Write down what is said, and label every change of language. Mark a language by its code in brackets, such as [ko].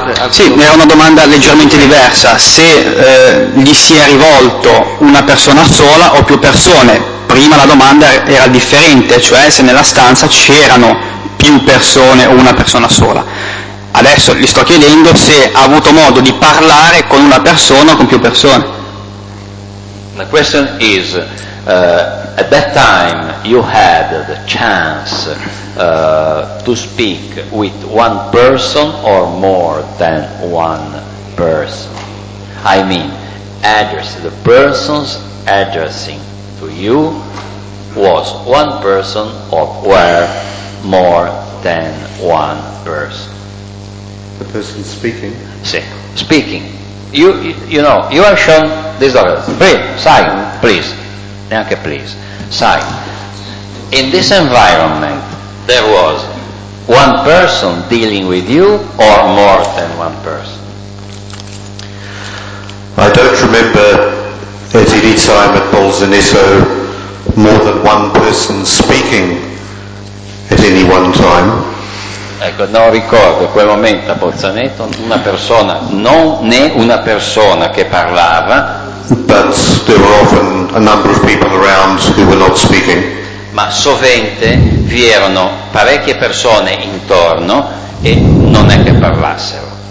[it] Sì, era una domanda leggermente diversa, se gli si è rivolto una persona sola o più persone. Prima la domanda era differente, cioè se nella stanza c'erano più persone o una persona sola. Adesso gli sto chiedendo se ha avuto modo di parlare con una persona o con più persone. [en] The question is, at that time you had the chance to speak with one person or more than one person. I mean, address, the persons addressing to you was one person or were more than one person. The person speaking? Sì, speaking. You know, you are shown this document. Please, sign. In this environment, there was one person dealing with you or more than one person? I don't remember at any time at Bolzaneto more than one person speaking at any one time. [it] Ecco, non ricordo quel momento a Bolzaneto una persona, non né una persona che parlava. [en] But there were often a number of people around who were not speaking. [it] Ma sovente vi erano parecchie persone intorno e non è che parlassero.